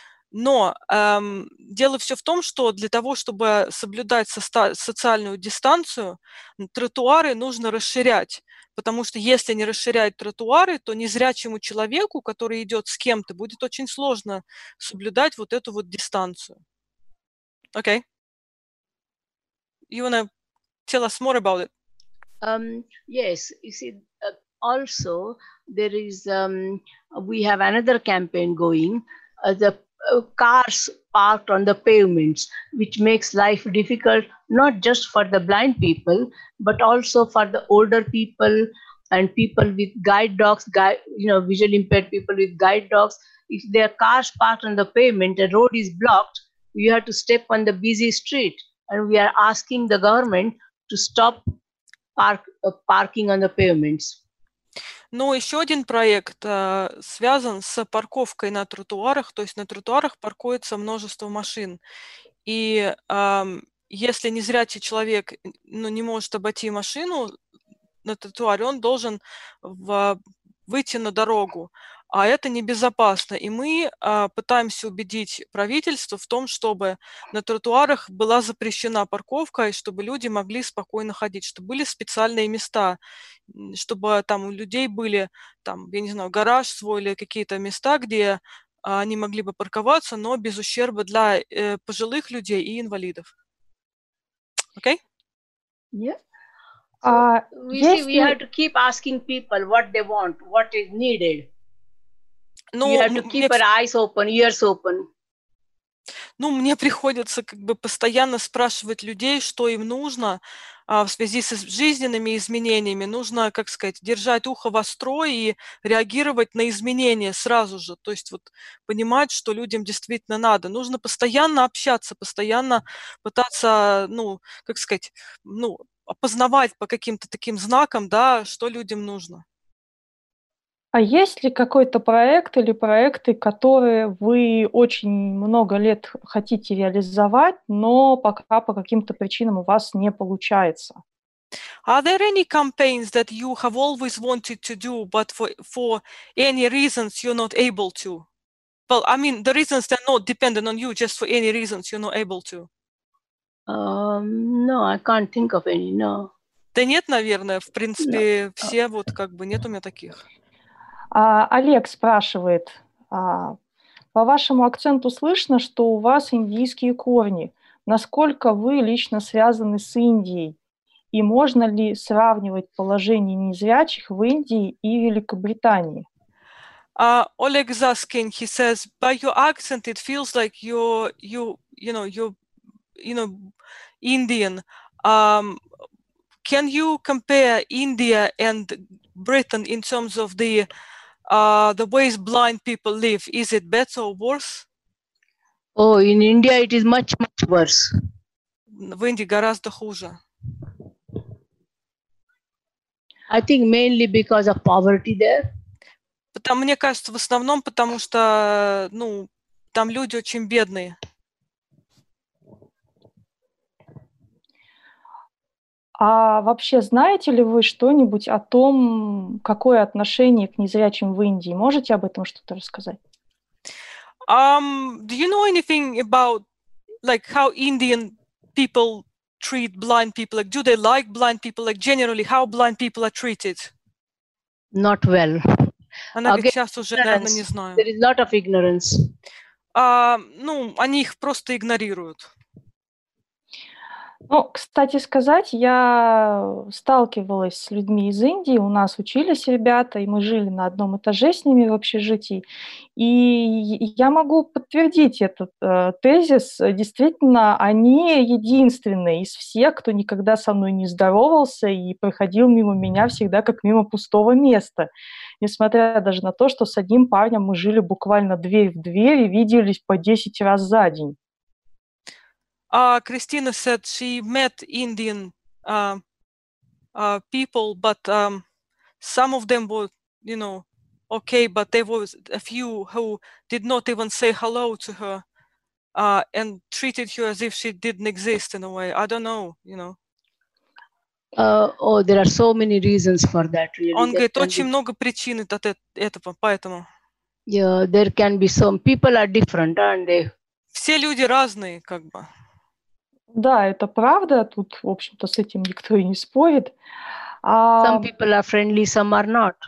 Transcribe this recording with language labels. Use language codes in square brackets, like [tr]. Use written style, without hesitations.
[ru] Но дело все в том, что для того, чтобы соблюдать социальную дистанцию, тротуары нужно расширять, потому что если не расширять тротуары, то незрячему человеку, который идет с кем-то, будет очень сложно соблюдать вот эту вот дистанцию. Окей. [en] Okay. You wanna tell us more about it? Yes, you see, also there is, we have another campaign going, cars parked on the pavements, which makes life difficult, not just for the blind people, but also for the older people and people with guide dogs, visually impaired people with guide dogs. If there are cars parked on the pavement, the road is blocked, you have to step on the busy street. And we are asking the government to stop parking on the pavements. [ru] Ну, еще один проект связан с парковкой на тротуарах, то есть на тротуарах паркуется множество машин. И если незрячий человек, ну, не может обойти машину на тротуаре, он должен выйти на дорогу. А это небезопасно. И мы пытаемся убедить правительство в том, чтобы на тротуарах была запрещена парковка, и чтобы люди могли спокойно ходить, чтобы были специальные места, чтобы там у людей были, там, я не знаю, гараж свой или какие-то места, где они могли бы парковаться, но без ущерба для пожилых людей и инвалидов. Окей? [en] Okay? Yeah. We have to keep asking people what they want, what is needed. Ну, you have to keep your eyes open, ears open. [ru] Ну, мне приходится как бы постоянно спрашивать людей, что им нужно в связи с жизненными изменениями. Нужно, как сказать, держать ухо востро и реагировать на изменения сразу же. То есть вот понимать, что людям действительно надо. Нужно постоянно общаться, постоянно пытаться, ну, как сказать, ну, опознавать по каким-то таким знакам, да, что людям нужно. А есть ли какой-то проект или проекты, которые вы очень много лет хотите реализовать, но пока по каким-то причинам у вас не получается? [en] Are there any campaigns that you have always wanted to do, but for any reasons you're not able to? Well, I mean, the reasons they're not dependent on you, just for any reasons you're not able to. No, I can't think of any, no. [ru] Да нет, наверное, в принципе, [en] no. [ru] Все вот как бы нет у меня таких. Олег спрашивает, по вашему акценту слышно, что у вас индийские корни. Насколько вы лично связаны с Индией? И можно ли сравнивать положение незрячих в Индии и Великобритании? [en] Олег is asking, he says, by your accent it feels like you know, Indian. Can you compare India and Britain in terms of the ways blind people live? Is it better or worse? Oh, in India it is much, much worse. [ru] В Индии гораздо хуже. [en] I think mainly because of poverty there. [ru] Потому, мне кажется, в основном потому что, ну, там люди очень бедные. А вообще знаете ли вы что-нибудь о том, какое отношение к незрячим в Индии? Можете об этом что-то рассказать? [en] Do you know anything about like how Indian people treat blind people? Like, do they like blind people? Like, generally, how blind people are treated? Not well. [ru] Она говорит, сейчас уже, наверное, не знаю. [en] There is a lot of ignorance. [ru] Ну, они их просто игнорируют. Ну, кстати сказать, я сталкивалась с людьми из Индии, у нас учились ребята, и мы жили на одном этаже с ними в общежитии, и я могу подтвердить этот тезис. Действительно, они единственные из всех, кто никогда со мной не здоровался и проходил мимо меня всегда как мимо пустого места, несмотря даже на то, что с одним парнем мы жили буквально дверь в дверь и виделись по 10 раз за день. [en] Christina said she met Indian people, but some of them were, you know, okay, but there was a few who did not even say hello to her and treated her as if she didn't exist in a way. I don't know, you know. There are so many reasons for that, really. [ru] Он говорит, очень много причин от этого, поэтому. [en] Yeah, there can be some. People are different, aren't they? [ru] Все люди разные, как бы. Да, это правда, тут, в общем-то, с этим никто и не спорит. [en] Some people are friendly, some are not.